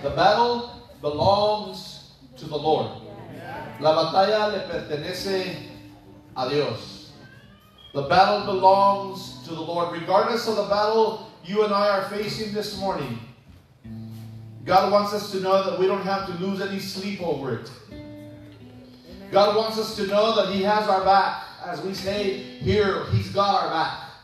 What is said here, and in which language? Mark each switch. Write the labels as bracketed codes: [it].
[en] The battle belongs to the Lord. Yeah. [es] La batalla le pertenece a Dios. [en] The battle belongs to the Lord. Regardless of the battle you and I are facing this morning, God wants us to know that we don't have to lose any sleep over it. God wants us to know that he has our back. As we say here, he's got our back.